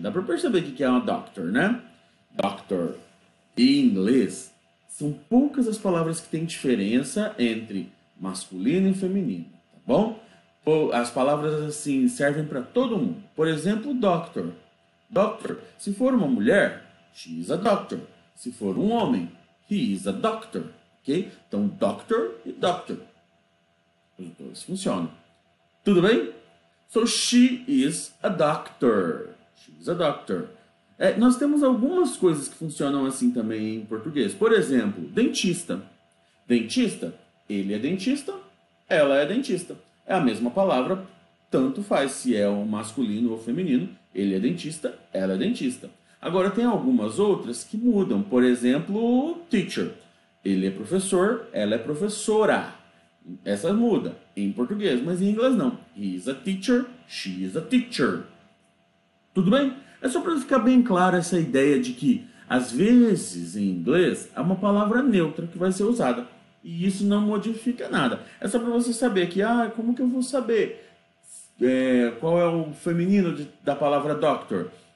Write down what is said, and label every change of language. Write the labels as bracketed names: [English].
[Portuguese] Dá para perceber o que que é uma doctor, né? Doctor. Em inglês, são poucas as palavras que têm diferença entre masculino e feminino, tá bom? As palavras assim servem para todo mundo. Por exemplo, doctor. Doctor. Se for uma mulher, [English] she is a doctor. [Portuguese] Se for um homem, [English] he is a doctor. [Portuguese] Ok? Então, doctor e doctor. Os dois funcionam. Tudo bem? [English] So, she is a doctor. She is a doctor. [Portuguese] É, nós temos algumas coisas que funcionam assim também em português. Por exemplo, dentista. Dentista. Ele é dentista, ela é dentista. É a mesma palavra, tanto faz se é o masculino ou feminino. Ele é dentista, ela é dentista. Agora, tem algumas outras que mudam. Por exemplo, teacher. Ele é professor, ela é professora. Essa muda em português, mas em inglês não. [English] He is a teacher, she is a teacher. [Portuguese] Tudo bem? É só para ficar bem claro essa ideia de que, às vezes, em inglês, é uma palavra neutra que vai ser usada. E isso não modifica nada. É só para você saber que, ah, como que eu vou saber qual é o feminino da palavra doctor?